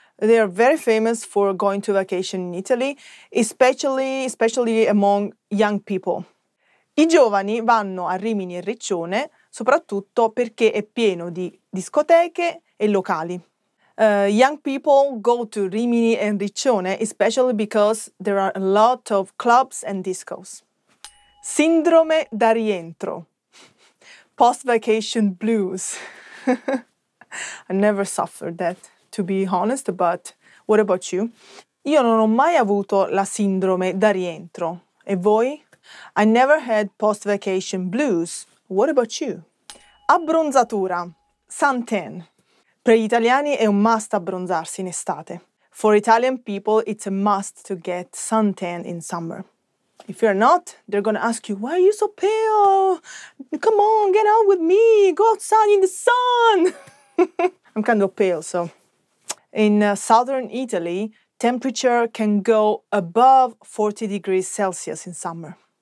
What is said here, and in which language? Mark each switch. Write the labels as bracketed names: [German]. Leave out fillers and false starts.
[English] They are very famous for going to vacation in Italy, especially among young people. [Italian] I giovani vanno a Rimini e Riccione soprattutto perché è pieno di discoteche e locali. [English] Young people go to Rimini and Riccione especially because there are a lot of clubs and discos. [Italian] Sindrome da rientro. [English] Post-vacation blues. I never suffered that, to be honest, but what about you? [Italian] Io non ho mai avuto la sindrome da rientro. E voi? [English] I never had post-vacation blues. What about you? [Italian] Abbronzatura. [English] Suntan. [Italian] Per gli italiani è un must abbronzarsi in estate. [English] For Italian people, it's a must to get suntan in summer. If you're not, they're gonna ask you, why are you so pale? Come on, get out with me. Go outside in the sun. I'm kind of pale, so. In southern Italy, temperature can go above 40 degrees Celsius in summer.